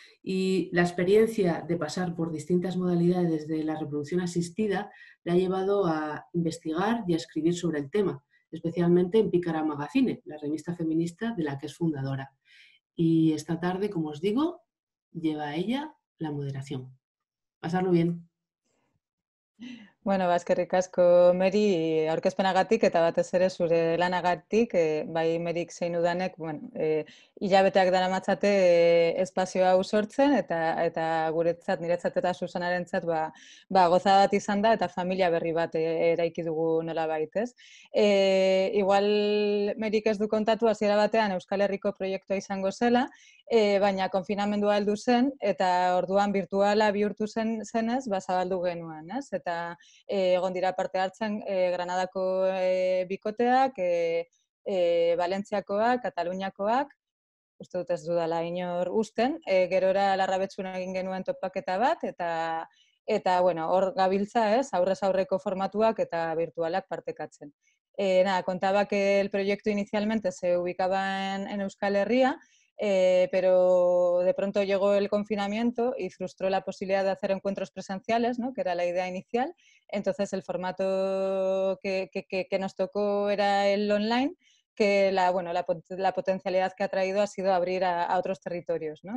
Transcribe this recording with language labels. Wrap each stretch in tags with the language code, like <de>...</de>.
<es>Y la experiencia de pasar por distintas modalidades de la reproducción asistida le ha llevado a investigar y a escribir sobre el tema, especialmente en Pícara Magazine, la revista feminista de la que es fundadora. Y esta tarde, como os digo, lleva a ella la moderación. Pasarlo bien.</es> <eu>Bueno, eskerrik asko, Meri, aurkezpenagatik eta batez ere zure lanagatik, bai Merik zein Udanek, bueno, hilabeteak daramatzate espazio hau sortzen eta guretzat, niretzat eta Susanarentzat ba goza bat izan da eta familia berri bat eraiki dugu nolabait, ez? Igual Merik ez du kontatu hasiera batean Euskal Herriko proiektua izango zela, baina konfinamendua heldu zen eta orduan virtuala bihurtu zen zenez, ba zabaldu genuen, ez? Eta egon dira parte hartzen Granadako bikoteak, Valentziakoak, Kataluniakoak, uste dut ez dudala inor usten, gerora Larrabetzun egin genuen topaketa bat, eta bueno, hor gabiltza, ez, aurrez aurreko formatuak eta virtualak partekatzen.</eu> <es>Nada, kontaba que el proyecto inicialmente se ubicaba en Euskal Herria, pero de pronto llegó el confinamiento y frustró la posibilidad de hacer encuentros presenciales, ¿no? Que era la idea inicial. Entonces el formato que nos tocó era el online, que la potencialidad que ha traído ha sido abrir a otros territorios, ¿no?</es>